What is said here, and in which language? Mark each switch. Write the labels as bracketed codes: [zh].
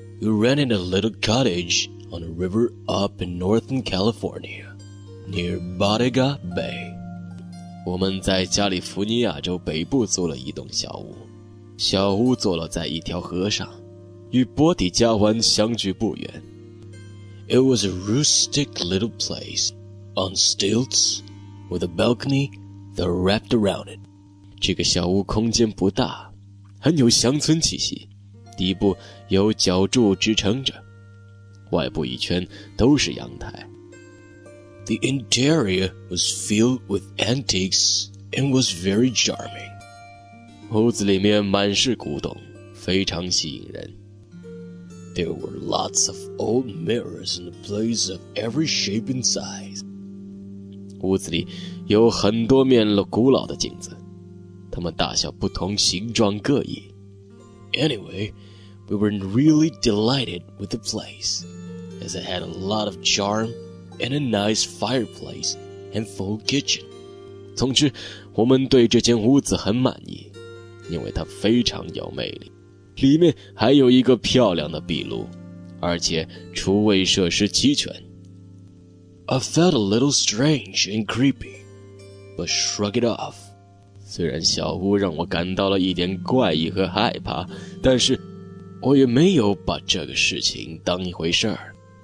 [en] We rented a little cottage on a river up in Northern California, near Bodega Bay. [zh] 我们在加利福尼亚州北部租了一栋小屋，小屋坐落在一条河上，与波底加湾相距不远。 [en] It was a rustic little place on stilts with a balcony that wrapped around it. [zh] 这个小屋空间不大，很有乡村气息，底部有脚柱支撑着，外部一圈都是阳台。 [en] The interior was filled with antiques and was very charming. [zh] 屋子里面满是古董，非常吸引人。 [en] There were lots of old mirrors in the place of every shape and size. [zh] 屋子里有很多面古老的镜子，它们大小不同，形状各异。 [en] Anyway, we were really delighted with the place, as it had a lot of charm,and a nice fireplace and full kitchen. [zh] 总之，我们对这间屋子很满意，因为它非常有魅力。里面还有一个漂亮的壁炉，而且厨卫设施齐全。 [en] I felt a little strange and creepy, but shrugged it off. [zh] 虽然小屋让我感到了一点怪异和害怕，但是我也没有把这个事情当一回事儿。